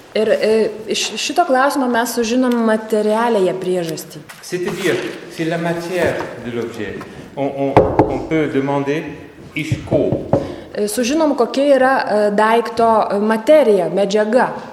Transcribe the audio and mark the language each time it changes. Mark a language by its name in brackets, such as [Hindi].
[Lithuanian] Ir iš šito klausimo mes sužinom materialiąją priežastį. [French] C'est-à-dire, c'est la matière de l'objet. On peut demander [Lithuanian] iš ko. Sužinom, kokia yra daikto materija, medžiaga.